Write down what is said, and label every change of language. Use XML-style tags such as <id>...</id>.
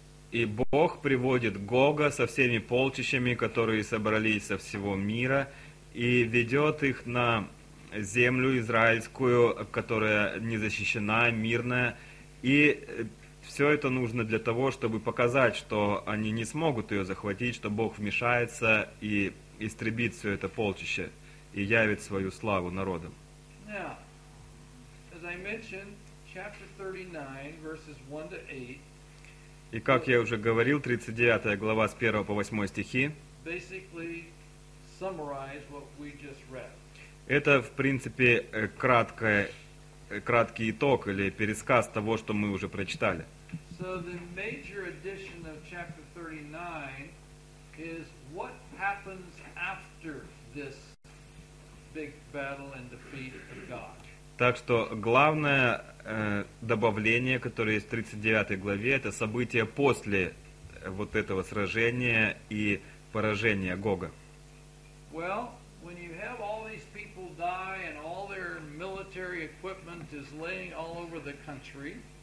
<ru>И Бог приводит Гога со всеми полчищами, которые собрались со всего мира, и ведет их на землю израильскую, которая не защищена, мирная. И все это нужно для того, чтобы показать, что они не смогут ее захватить, что Бог вмешается и истребит все это полчище и явит свою славу народам.</ru> <en>Now, as I mentioned, chapter 39, verses 1 to 8,</en> <ru>и как я уже говорил, 39 глава с 1 по 8 стихи</ru> <en>basically summarize what we just read.</en> <ru>Это, в принципе, краткий итог или пересказ того, что мы уже прочитали.</ru> <en>So the major addition of chapter 39 is what happens after this big battle and defeat of God.</en> <ru>Так что главное добавление, которое есть в 39 главе, это события после вот этого сражения и поражения Гога.</ru> <en>Well, when you have all these people die and all their military equipment is laying all over the country,</en>